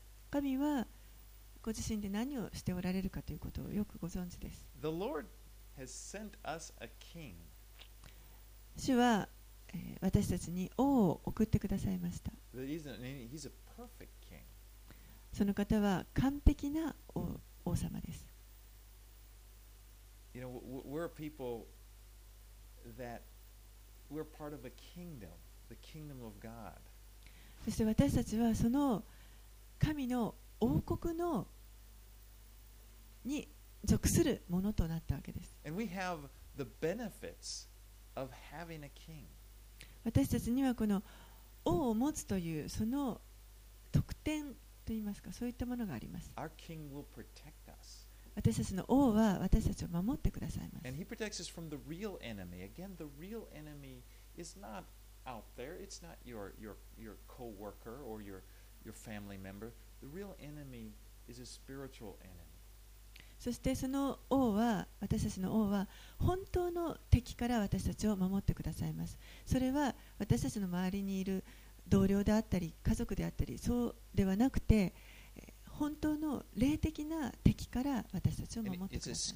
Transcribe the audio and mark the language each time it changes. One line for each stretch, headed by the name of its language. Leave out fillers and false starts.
Japanese: 神はご自身で何をしておられるかということをよくご存知です。
English: The Lord has sent us a king.
Japanese: 主は、私たちに王を送ってくださいました。
English: He's a perfect king.
Japanese: その方は完璧な 王様です。
English: You know, we're people that we're part of a kingdom, the kingdom of God.
Japanese: そして私たちはその神の王国のに属するものとなったわけです。
English: And we have the benefits of having a king.
Japanese: 私たちにはこの王を持つというその特典といいますか、そういったものがあります。
English: Our king will protect us.
Japanese: 私たちの王は私たちを守ってくださいます。
English: And he protects us from the real enemy. Again, the real enemy is notout there. It's not your coworker or your family member. The real enemy is a spiritual enemy.
Japanese: そしてその王は、私たちの王は本当の敵から私たちを守ってくださいます。それは私たちの周りにいる同僚であったり家族であったり、そうではなくて本当の霊的な敵から私たちを守ってください。